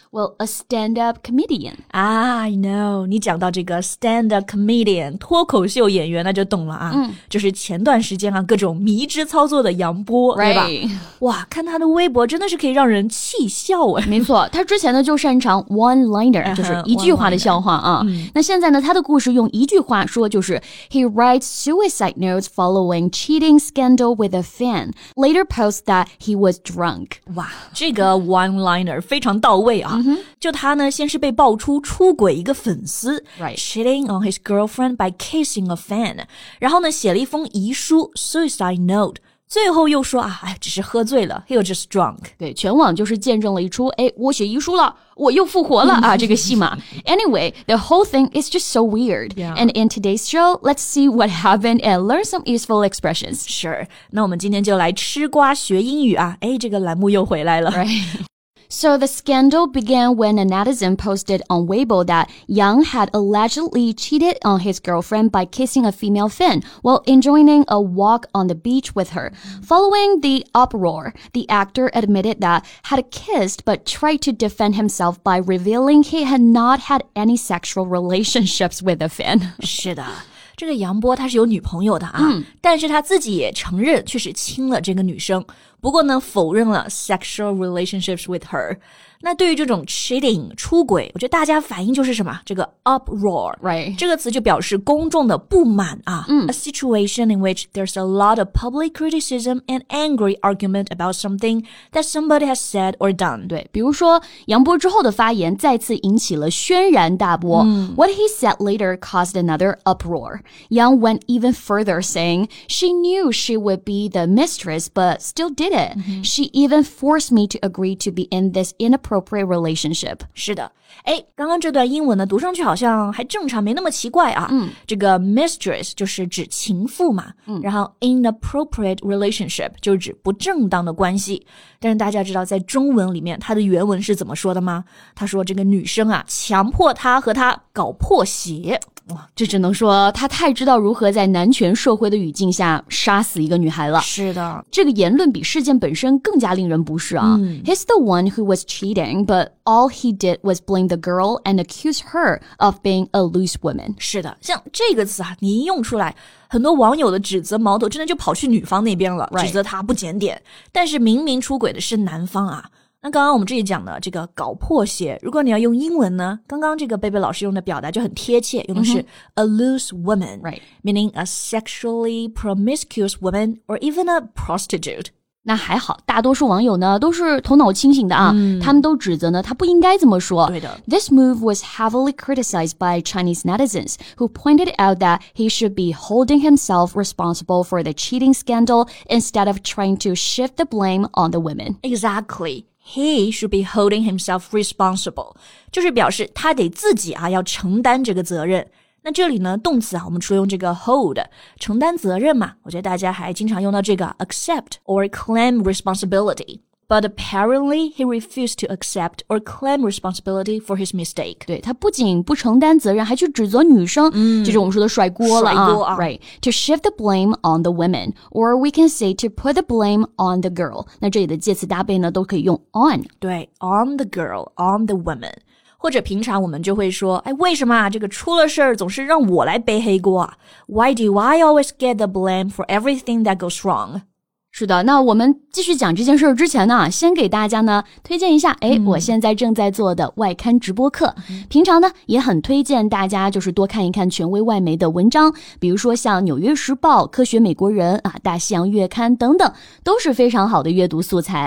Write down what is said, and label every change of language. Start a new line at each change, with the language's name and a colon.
English: Well, a stand-up comedian. Ah, I know.
Chinese: 你讲到这个 stand-up comedian, 脱口秀演员那就懂了啊。嗯、就是前段时间啊各种迷之操作的杨波、
English: right.
Chinese: 对吧。哇，看他的微博真的是可以让人气笑哎。没错，他之前呢就擅长 one-liner, 就是一句话的笑话啊。嗯、那现在呢他的故事用一句话说就是
English: He writes suicide notes following cheating scandal with a fan, later posts that he was drunk.
Chinese: 哇，这个 one-liner 非常到位啊。
English: Mm-hmm.
Chinese: 就他呢先是被爆出出轨一个粉丝、
English: right. cheating on his girlfriend by kissing a fan,
Chinese: 然后呢写了一封遗书 suicide note,最后又说啊，哎，只是喝醉了 ，
English: he was just drunk。
Chinese: 对，全网就是见证了一出，哎，我写遗书了，我又复活了啊，这个戏码。
English: Anyway, the whole thing is just so weird.、 Yeah. And in today's show, let's see what happened and learn some useful expressions. Sure.
Chinese: 那我们今天就来吃瓜学英语啊，哎，这个栏目又回来了。
English: Right. So the scandal began when a netizen posted on Weibo that Yang had allegedly cheated on his girlfriend by kissing a female fan while enjoying a walk on the beach with her. Following the uproar, the actor admitted that had kissed but tried to defend himself by revealing he had not had any sexual relationships with a fan.
Chinese: 是的。这个杨波他是有女朋友的啊、嗯、但是他自己也承认确实亲了这个女生不过呢否认了
English: sexual relationships with her
Chinese: 那对于这种 cheating 出轨我觉得大家反应就是什么这个 uproar、
English: right.
Chinese: 这个词就表示公众的不满啊、嗯、
English: A situation in which there's a lot of public criticism and angry argument about something that somebody has said or done
Chinese: 对比如说杨波之后的发言再次引起了轩然大波、嗯、
English: What he said later caused another uproar Yang went even further saying she knew she would be the mistress but stilldid it. Mm-hmm. She even forced me to agree to be in this inappropriate relationship.
Chinese: 是的。诶，刚刚这段英文呢，读上去好像还正常，没那么奇怪啊。嗯。这个 mistress 就是指情妇嘛。嗯。然后 inappropriate relationship 就指不正当的关系。但是大家知道在中文里面它的原文是怎么说的吗？他说这个女生啊，强迫他和他搞破鞋。这只能说他太知道如何在男权社会的语境下杀死一个女孩了。是的。这个言论比事件本身更加令人不适啊。嗯、
English: He's the one who was cheating, but all he did was blame the girl and accuse her of being a loose woman.
Chinese: 是的。像这个词啊你一用出来很多网友的指责矛头真的就跑去女方那边了、
English: right.
Chinese: 指责她不检点。但是明明出轨的是男方啊。那刚刚我们这里讲的这个搞破鞋如果你要用英文呢刚刚这个贝贝老师用的表达就很贴切用的是、 mm-hmm.
English: a loose woman、 right. meaning a sexually promiscuous woman or even a prostitute
Chinese: 那还好大多数网友呢都是头脑清醒的啊、嗯、他们都指责呢他不应该这么说对的
English: This move was heavily criticized by Chinese netizens who pointed out that he should be holding himself responsible for the cheating scandal instead of trying to shift the blame on the women ExactlyHe should be holding himself responsible.
Chinese: 就是表示他得自己啊要承担这个责任。那这里呢动词啊我们除了用这个 hold, 承担责任嘛我觉得大家还经常用到这个
English: accept or claim responsibility. But apparently, he refused to accept or claim responsibility for his mistake.
Chinese: 对,他不仅不承担责任,还去指责女生,就是我们说的甩锅了啊。
English: Right. To shift the blame on the women, or we can say to put the blame on the girl.
Chinese: 那这里的介词搭配呢,都可以用 on. 对 ,
English: on the girl, on the woman.
Chinese: 或者平常我们就会说,哎,为什么啊,这个出了事儿总是让我来背黑锅啊?
English: Why do I always get the blame for everything that goes wrong?
Chinese: 是的，那我们继续讲这件事之前呢，先给大家呢推荐一下，我现在正在做的外刊直播课，平常呢也很推荐大家就是多看一看权威外媒的文章，比如说像《纽约时报》、《科学美国人》啊、《大西洋月刊》等等，都是非常好的阅读素材。